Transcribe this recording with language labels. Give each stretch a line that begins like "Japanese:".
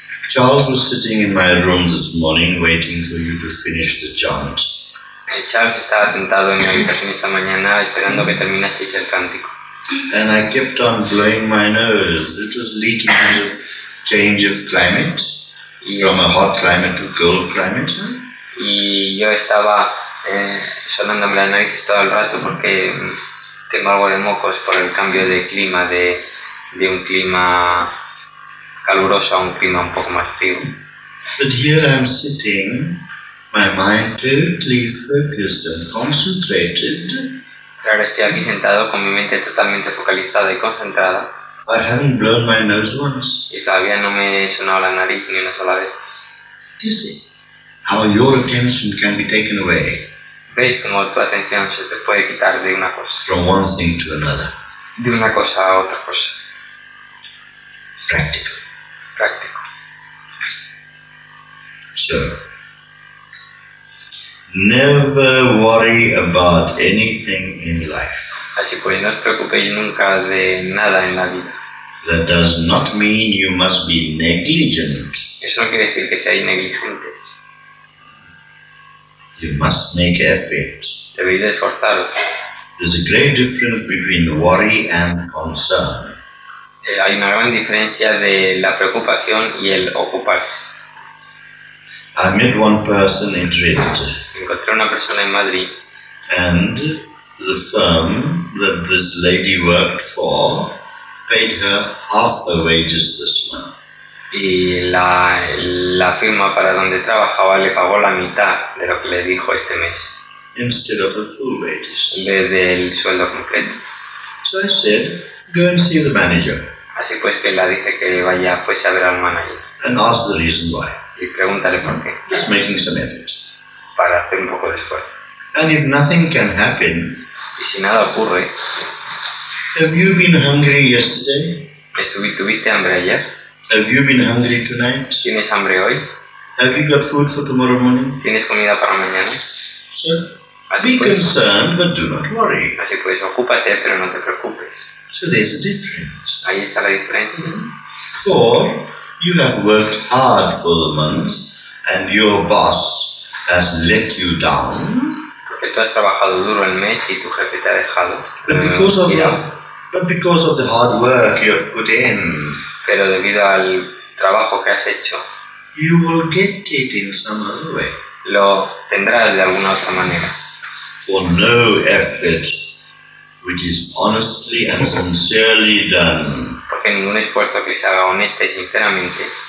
English: Charles was sitting in my room this morning waiting for you to finish the chant.
Spanish: Charles estaba sentado en mi habitación esta mañana esperando que terminaseis el cántico.
English: And I kept on blowing my nose. It was leaking in the change of climate. From a hot climate to cold climate.
Spanish: Y yo estaba sonándome la nariz todo el rato porque tengo algo de mocos por el cambio de clima, de un clima caluroso a un clima un poco más frío.
English: But here I'm sitting, my mind totally focused and concentrated.
Spanish: Claro, estoy aquí sentado con mi mente totalmente focalizada y concentrada.
English: I haven't blown my nose once.
Spanish: Y todavía no me he sonado la nariz ni una sola vez.
English: You see how your attention can be taken away.
Spanish: ¿Ves cómo tu atención se te puede quitar de una cosa?
English: From one thing to another.
Spanish: De una cosa a otra cosa.
English: Practical. So, never worry about anything in life.
Spanish: Así pues, no os preocupéis nunca de nada en la vida.
English: That does not mean you must be negligent.
Spanish: Eso no quiere decir que seáis negligentes.
English: You must make effort.
Spanish: Debéis esforzaros.
English: There's a great difference between worry and concern.
Spanish: Hay una gran diferencia de la preocupación y el ocuparse.
English: I met one person in Madrid.
Spanish: Encontré una persona en Madrid.
English: And the firm that this lady worked for paid her half her wages this month.
Spanish: Y la firma para donde trabajaba le pagó la mitad de lo que le dijo este mes.
English: Instead of her full wages.
Spanish: En vez del sueldo completo.
English: So I said, go and see the manager.
Spanish: Así pues que la dije que vaya pues a ver al manager.
English: And ask the reason why.
Spanish: Y pregúntale por qué.
English: Just making some efforts.
Spanish: Para hacer un poco de esfuerzo.
English: And if nothing can happen,
Spanish: y si nada ocurre,
English: have you been hungry yesterday?
Spanish: ¿Tuviste hambre ayer?
English: Have you been hungry tonight?
Spanish: ¿Tienes hambre hoy?
English: Have you got food for tomorrow morning?
Spanish: ¿Tienes comida para mañana?
English: So, be concerned, but do not worry.
Spanish: Así pues, ocúpate, pero no te preocupes.
English: So there's a difference.
Spanish: Ahí está la diferencia.
English: Or you have worked hard for the month, and your boss has let you down.
Spanish: Porque tú has trabajado duro el mes y tu jefe te ha dejado.
English: But because of the hard work you have put in.
Spanish: Pero debido al trabajo que has hecho.
English: You will get it in some other way.
Spanish: Lo tendrás de alguna otra manera.
English: For no effort which is honestly and sincerely done.
Spanish: Porque ningún esfuerzo que se haga honesto y sinceramente.